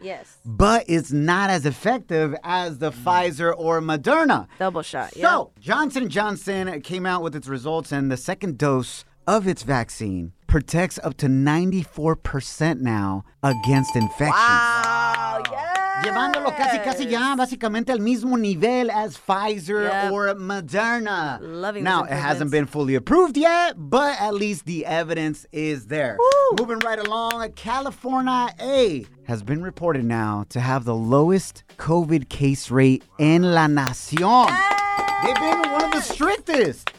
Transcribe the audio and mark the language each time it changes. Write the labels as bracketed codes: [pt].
[en] Yes. But it's not as effective as the Pfizer or Moderna. Double shot, yeah. So Johnson & Johnson came out with its results, and the second dose of its vaccine protects up to 94% now against infections. Wow, yes. [es] Llevándolo casi, casi ya, básicamente al mismo nivel [en] as Pfizer or Moderna. Loving now, it hasn't been fully approved yet, but at least the evidence is there. Woo. Moving right along, California A has been reported now to have the lowest COVID case rate in [es] La Nación. [en] They've been one of the strictest.